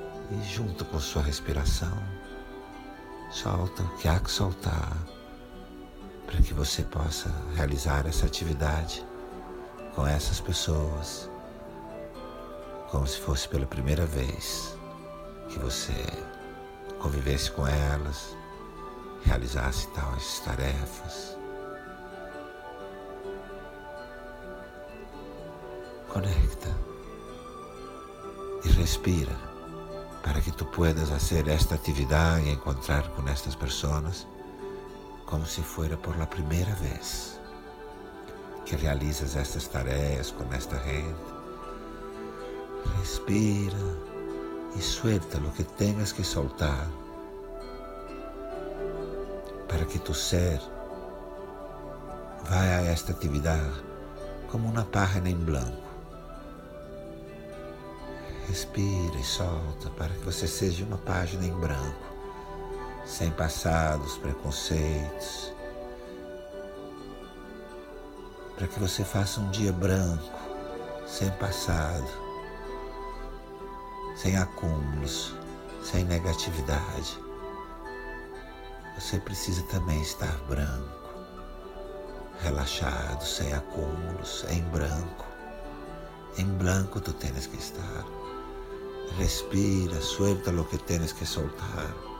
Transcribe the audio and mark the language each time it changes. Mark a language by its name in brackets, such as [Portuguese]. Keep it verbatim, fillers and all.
[Portuguese] E junto com sua respiração, solta o que há que soltar, para que você possa realizar essa atividade com essas pessoas, como se fosse pela primeira vez que você convivesse com elas, realizasse tais tarefas. Conecta e respira para que tu puedas fazer esta atividade e encontrar com estas pessoas como se [Spanish] fuera por la [Portuguese] primeira vez que realizas estas tarefas com esta gente. Respira e suelta o que tenhas que soltar [Spanish] para que tu ser vaya a esta actividad como una página en blanco. [Portuguese] Respira e solta para que você seja uma página em branco, sem passados, preconceitos, para que você faça um dia branco, sem passado, sem acúmulos, sem negatividade. Você precisa também estar branco, relaxado, sem acúmulos, em branco. Em branco tu tens que estar. [Spanish] Respira, suelta lo que tienes que soltar.